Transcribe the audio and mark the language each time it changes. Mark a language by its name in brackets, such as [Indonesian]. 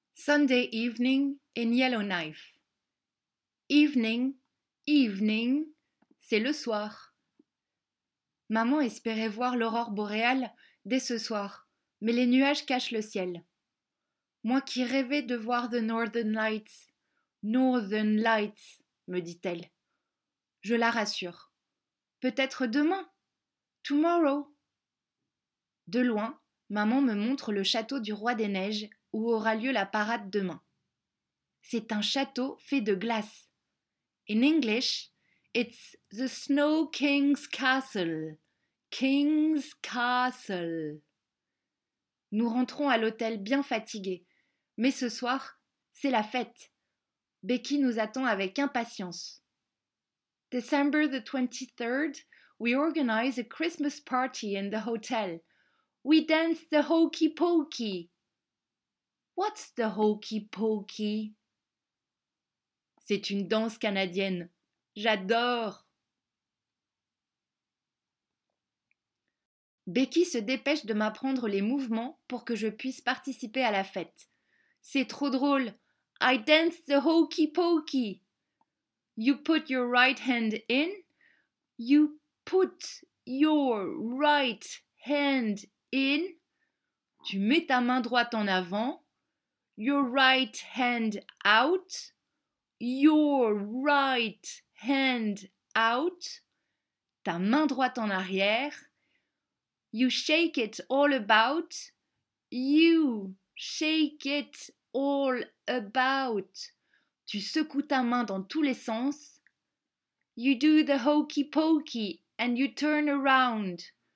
[English] Sunday evening in Yellowknife. Evening, evening, [French] c'est le soir. Maman espérait voir l'aurore boréale dès ce soir, mais les nuages cachent le ciel. Moi qui rêvais de voir [English] the Northern Lights, Northern Lights, [French] me dit-elle. Je la rassure. Peut-être demain, [English] tomorrow. [French] De loin, maman me montre le château du Roi des Neiges où aura lieu la parade demain. C'est un château fait de glace. [English] In English, it's the Snow King's Castle. King's Castle. [French] Nous rentrons à l'hôtel bien fatigués, mais ce soir, c'est la fête. Becky nous attend avec impatience. [English] December the 23rd, we organize a Christmas party in the hotel. We dance the hokey pokey. What's the hokey pokey? [French] C'est une danse canadienne. J'adore! Becky se dépêche de m'apprendre les mouvements pour que je puisse participer à la fête. C'est trop drôle! [English] I dance the hokey pokey! You put your right hand in. You put your right hand in. [French] Tu mets ta main droite en avant. [English] Your right hand out. Your right hand out. [French] Ta main droite en arrière. [English] You shake it all about. You shake it all about. [French] Tu secoues ta main dans tous les sens. [English] You do the hokey pokey and you turn around.